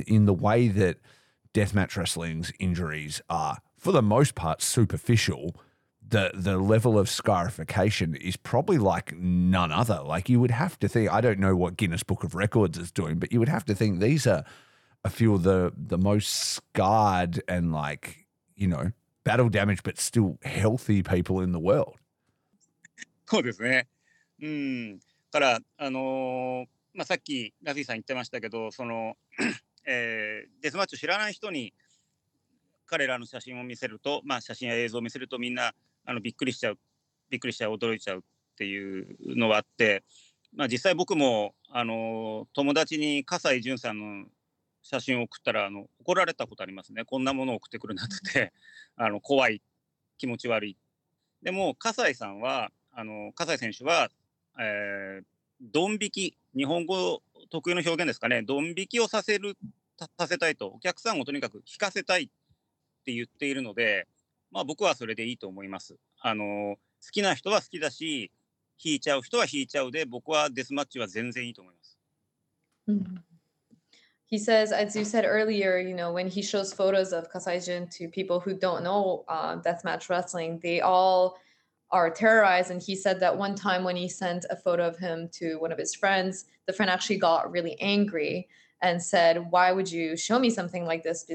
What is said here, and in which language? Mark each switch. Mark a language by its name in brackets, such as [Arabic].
[English] In the way that deathmatch wrestling's injuries are, for the most part, superficial, the level of scarification is probably like none other. Like you would have to think, I don't know what Guinness Book of Records is doing, but you would have to think these are a few of the most scarred and like, you know, battle damage, but still healthy people in the world. [Japanese] そうですね。から、まあ、さっきラフィーさん言ってましたけど、その、デスマッチを知らない人に彼らの写真を見せると、まあ、写真や映像を見せるとみんなあのびっくりしちゃう、びっくりしちゃう、驚いちゃうっていうのはあって、まあ、実際僕も、友達に葛西潤さんの写真を送ったら怒られたことありますね。こんなものを送ってくるなって怖い、気持ち悪い。でも葛西さんは葛西選手はドン引き、日本語特有の表現ですかね、ドン引きをさせたいと、お客さんをとにかく引かせたいって言っているので、まあ僕はそれでいいと思います。好きな人は好きだし、引いちゃう人は引いちゃうで、僕はデスマッチは全然いいと思います。 [English] He says, as you said earlier, you know, when he shows photos of Kasai Jun to people who don't know deathmatch wrestling, they all are terrorized. And he said that one time when he sent a photo of him to one of his friends, the friend actually got really angry and said, why would you show me something like this?